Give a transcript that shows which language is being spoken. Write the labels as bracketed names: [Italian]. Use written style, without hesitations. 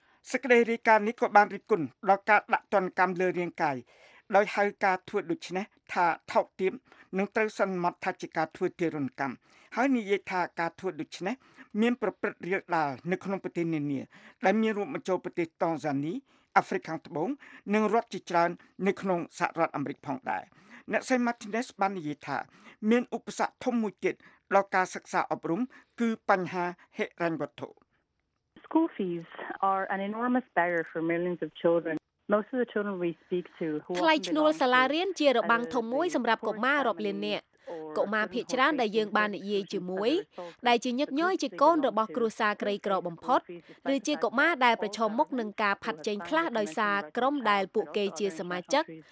[Khmer] សេចក្តីរាយការណ៍នេះក៏បានរិះគន់ដល់ការដាក់ទណ្ឌកម្មលើរាងកាយដោយហៅការធ្វើដូច្នេះថាថោកទាបនិងត្រូវសន្មតថាជាការធ្វើទារុណកម្មហើយនិយាយថាការធ្វើដូច្នេះមានប្រព្រឹត្តរាលដាលនៅក្នុងប្រទេសនានាដែលមានរួមបញ្ចូលប្រទេសតង់ហ្សានីអាហ្វ្រិកខាងត្បូងនិងរដ្ឋជាច្រើននៅក្នុងសហរដ្ឋអាមេរិកផងដែរអ្នកសេម៉ាទីណេសបាននិយាយថាមានឧបសគ្គធំមួយទៀតដល់ការសិក្សាអប់រំគឺបញ្ហាហិរញ្ញវត្ថុ [English] School fees are an enormous barrier for millions of children. Most of the children we speak to who [Khmer] ថ្លៃឈ្នួលសាលារៀនជារបាំងធំមួយសម្រាប់កុមាររាប់លាននាក់កុមារភាគច្រើនដែលយើងបាននិយាយជាមួយដែលជាញឹកញយជាកូនរបស់គ្រួសារក្រីក្របំផុតឬជាកុមារដែលប្រឈមមុខនឹងការផាត់ចែងខ្លះដោយសារក្រុមដែលពួកគេជាសមាជិក